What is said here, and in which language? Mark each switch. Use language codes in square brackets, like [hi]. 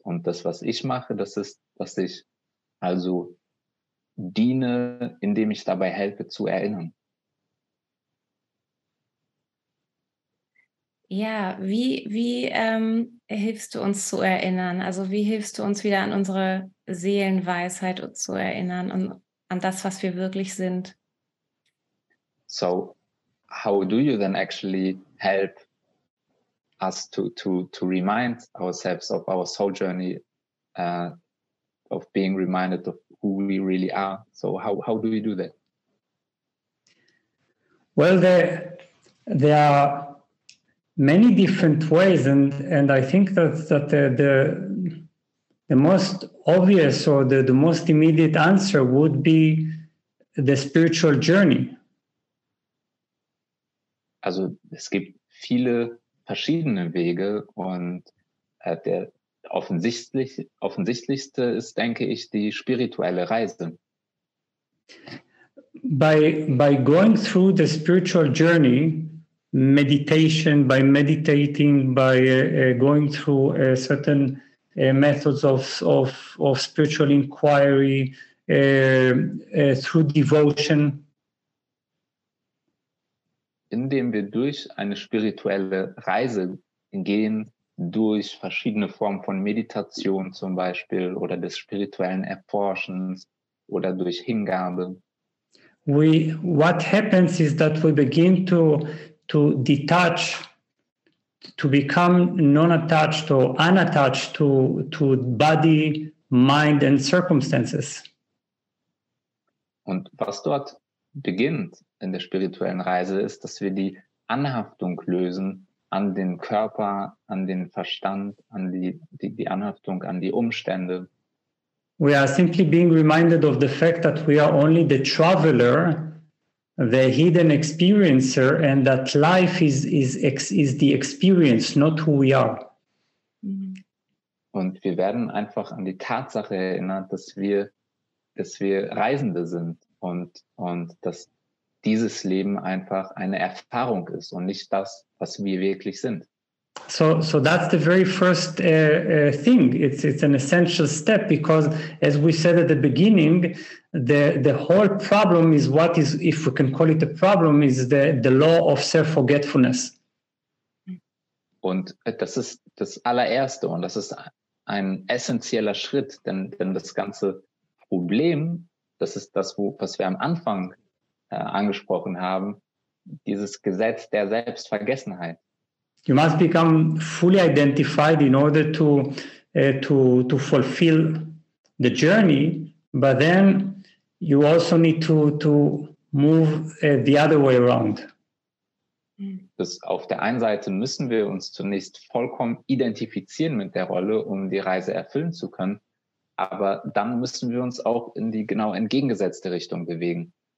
[de] Und das, was ich mache, das ist, dass ich also diene, indem ich dabei helfe, zu erinnern. Ja, wie hilfst du uns zu erinnern? Also wie hilfst du uns wieder an unsere Seelenweisheit zu erinnern und an das, was wir wirklich sind? [en] So, how do you then actually help us to remind ourselves of our soul journey, of being reminded of who we really are? So, how do we do that? Well, there are many different ways, and I think that the most obvious or the most immediate answer would be the spiritual journey. [de] Also es gibt viele verschiedene Wege und der offensichtlichste ist, denke ich, die spirituelle Reise. [en] By going through the spiritual journey, meditation, by meditating, by going through certain methods of spiritual inquiry, through devotion. [de] Indem wir durch eine spirituelle Reise gehen, durch verschiedene Formen von Meditation zum Beispiel oder des spirituellen Erforschens oder durch Hingabe. [en] What happens is that we begin to detach, to become non-attached or unattached to body, mind and circumstances. [de] Und was dort beginnt in der spirituellen Reise ist, dass wir die Anhaftung lösen an den Körper, an den Verstand, an die Anhaftung an die Umstände. [en] We are simply being reminded of the fact that we are only the traveler, the hidden experiencer, and that life is the experience, not who we are. [de] Und wir werden einfach an die Tatsache erinnert, dass wir Reisende sind und dass dieses Leben einfach eine Erfahrung ist und nicht das, was wir wirklich sind. [en] So that's the very first thing. It's an essential step because, as we said at the beginning, the whole problem is what is, if we can call it a problem, is the law of self-forgetfulness. [de] Und das ist das allererste und das ist ein essentieller Schritt, denn das ganze Problem, das ist das, was wir am Anfang angesprochen haben, dieses Gesetz der Selbstvergessenheit. [en] You must become fully identified in order to fulfill the journey, but then you also need to move the other way around. [de] Das auf der einen Seite müssen wir uns zunächst vollkommen identifizieren mit der Rolle, um die Reise erfüllen zu können, aber dann müssen wir uns auch in die genau entgegengesetzte Richtung bewegen.